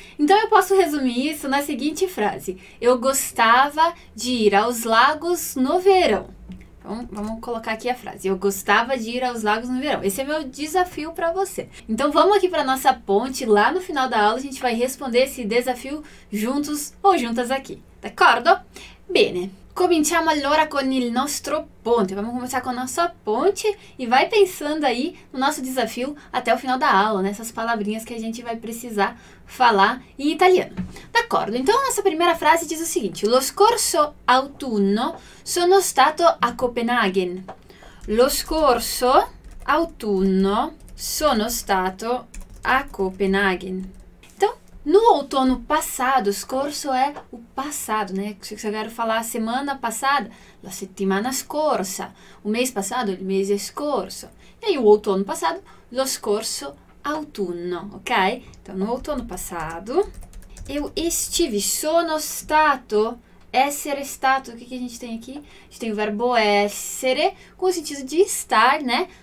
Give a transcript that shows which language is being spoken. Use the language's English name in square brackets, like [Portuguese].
[Portuguese] Então eu posso resumir isso na seguinte frase: eu gostava de ir aos lagos no verão. Vamos colocar aqui a frase. Eu gostava de ir aos lagos no verão. Esse é meu desafio para você. Então vamos aqui para nossa ponte. Lá no final da aula a gente vai responder esse desafio juntos ou juntas aqui. [Italian] D'accordo? Bene. Cominciamo allora con il nostro ponte. [Portuguese] Vamos começar com a nossa ponte e vai pensando aí no nosso desafio até o final da aula, nessas palavrinhas que a gente vai precisar falar em italiano. [Italian] D'accordo? [Portuguese] Então, a nossa primeira frase diz o seguinte: [Italian] Lo scorso autunno sono stato a Copenaghen. Lo scorso autunno sono stato a Copenaghen. [Portuguese] No outono passado, scorso é o passado, né? Se eu quero falar semana passada, [Italian] la settimana scorsa. [Portuguese] O mês passado, [Italian] il mese scorso. [Portuguese] E aí, o outono passado, [Italian] lo scorso autunno, [Portuguese] ok? Então, no outono passado, eu estive, [Italian] sono stato, essere stato. [Portuguese] O que que a gente tem aqui? A gente tem o verbo essere, com o sentido de estar, né?